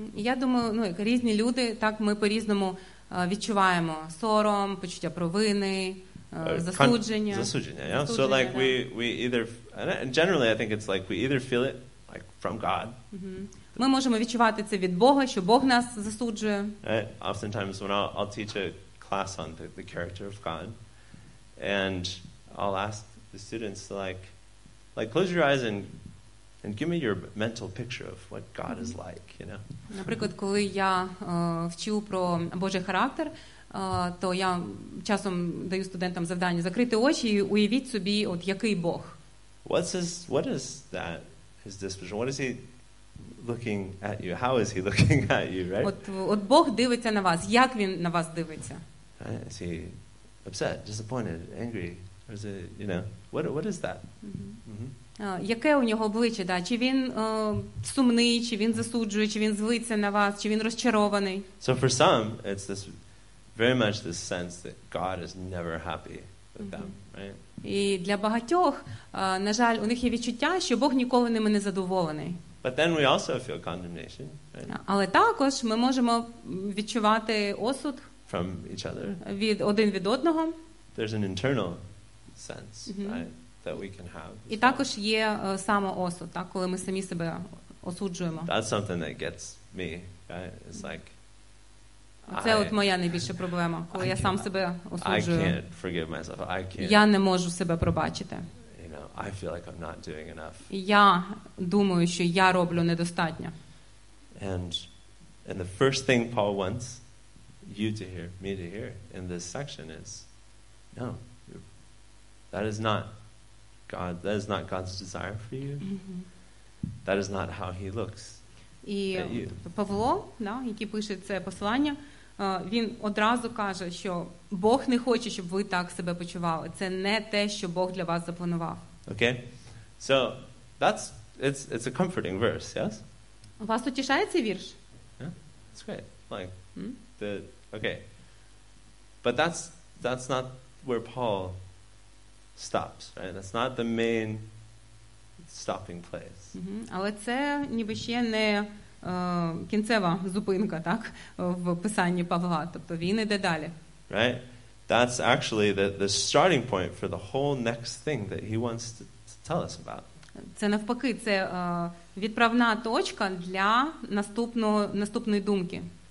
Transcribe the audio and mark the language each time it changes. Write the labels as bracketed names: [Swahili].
[Ukrainian] Я думаю, ну, як різні люди, так ми по-різному відчуваємо сором, почуття провини. Засудження, yeah? [English] So like we either and generally I think it's like we either feel it like from God. [Ukrainian] Ми можемо відчувати це від Бога, що Бог нас засуджує. [English] Right? Oftentimes when I'll teach a class on the character of God and I'll ask the students like close your eyes and give me your mental picture of what God is like, you know. [Ukrainian] Наприклад, коли я вчу про Божий характер, то я часом даю студентам завдання закрити очі і уявіть собі, от який Бог. [English] What is his disposition? What is he looking at you? How is he looking at you, right? [Ukrainian] От Бог дивиться на вас. Як він на вас дивиться? [English] Is he upset, disappointed, angry? Or is it, you know, what is that? [Ukrainian] Яке у нього обличчя, да? Чи він сумний, чи він засуджує, чи він злиться на вас, чи він розчарований? [English] So for some, it's this very much this sense that God is never happy with them, right? [Ukrainian] І для багатьох, на жаль, у них є відчуття, що Бог ніколи ними не задоволений. [English] But then we also feel condemnation, right? [Ukrainian] Але також ми можемо відчувати осуд [English] from each other. [Ukrainian] Від один від одного. [English] There's an internal sense, right, that we can have. [Ukrainian] І також є самоосуд, так, коли ми самі себе осуджуємо. [English] That's something that gets me, right? It's like [Ukrainian] це от моя найбільша проблема, коли я сам себе осуджую. [English] I can't forgive myself. I can't. [Ukrainian] Я не можу себе пробачити. [English] You know, I feel like I'm not doing enough. [Ukrainian] Я думаю, що я роблю недостатньо. [English] And the first thing Paul wants you to hear, me to hear in this section is no. That is not God's desire for you. That is not how he looks. [Ukrainian] І Павло, да, який пише це послання, він одразу каже, що Бог не хоче, щоб ви так себе почували. Це не те, що Бог для вас запланував. [English] Okay. So, that's it's a comforting verse, yes? [Ukrainian] Вас утішає цей вірш? [English] Yeah. It's great. Like okay. But that's not where Paul stops, right? That's not the main stopping place. [Ukrainian] Але це ніби ще не кінцева зупинка, так, в писанні Павла. Тобто він іде далі. [English] Right? That's actually the starting point for the whole next thing that he wants to tell us about. [Ukrainian] Це навпаки, це відправна точка для наступної думки.